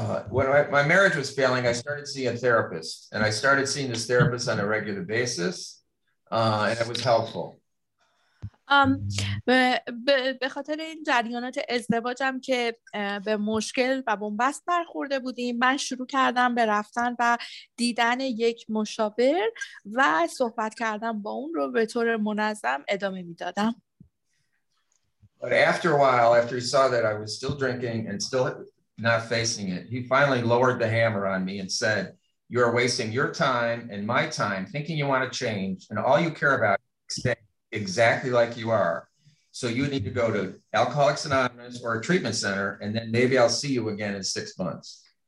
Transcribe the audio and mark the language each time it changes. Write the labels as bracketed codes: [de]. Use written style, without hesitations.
[en] When my marriage was failing, I started seeing a therapist and I started seeing this therapist on a regular basis and it was helpful. [fa] به خاطر این جریانات ازدواجم که به مشکل و بنبست برخورده بودیم, من شروع کردم به رفتن و دیدن یک مشاور و صحبت کردم با اون رو به طور منظم ادامه میدادم. [en] But after a while, after he saw that I was still drinking and still not facing it, he finally lowered the hammer on me and said, you are wasting your time and my time thinking you want to change and all you care about is staying exactly like you are. So you need to go to Alcoholics Anonymous or a treatment center, and then maybe I'll see you again in 6 months.